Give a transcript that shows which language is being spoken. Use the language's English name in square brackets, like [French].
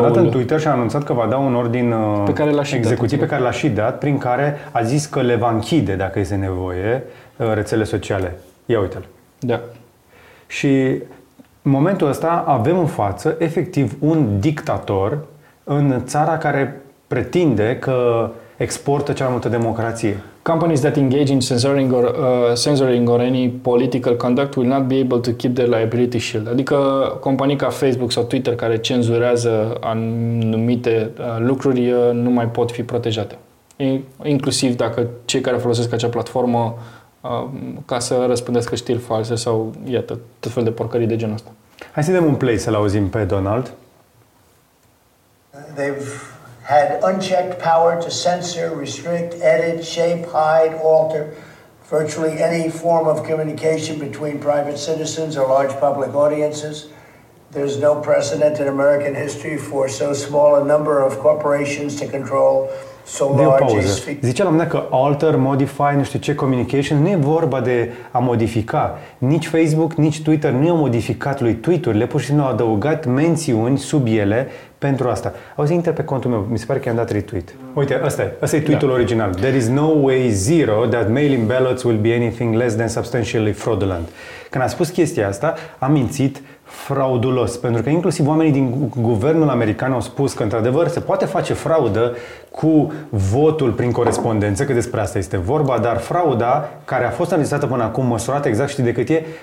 [Romanian] Nu, a dat în Twitter și a anunțat că va da un ordin executiv pe care l-a și dat, prin care a zis că le va închide, dacă este nevoie, rețele sociale. Ia uite-l. Da. Și în momentul ăsta avem în față, efectiv, un dictator în țara care pretinde că exportă cea mai multă democrație. [English] Companies that engage in censoring or any political conduct will not be able to keep their liability shield. [Romanian] Adică companii ca Facebook sau Twitter care cenzurează anumite lucruri nu mai pot fi protejate. Inclusiv dacă cei care folosesc acea platformă ca să răspândească știri false sau iată, tot fel de porcării de genul ăsta. Hai să dăm un play să-l auzim pe Donald. [English] They've had unchecked power to censor, restrict, edit, shape, hide, alter virtually any form of communication between private citizens or large public audiences. There's no precedent in American history for so small a number of corporations to control so large. [Romanian] De o pauză. Zicea la mine că [English] alter, modify, [Romanian] nu știu ce, communication, nu e vorba de a modifica. Nici Facebook, nici Twitter nu i-au modificat lui tweet-urile, pur și simplu au adăugat mențiuni sub ele. Pentru asta. Auzi, intră pe contul meu, mi se pare că i-am dat retweet. Uite, ăsta e tweet-ul original. [English] There is no way zero that mail-in ballots will be anything less than substantially fraudulent. [Romanian] Când a spus chestia asta, a mințit fraudulos. Pentru că inclusiv oamenii din guvernul american au spus că, într-adevăr, se poate face fraudă cu votul prin corespondență, că despre asta este vorba, dar frauda care a fost analizată până acum, măsurată exact, știi de cât e?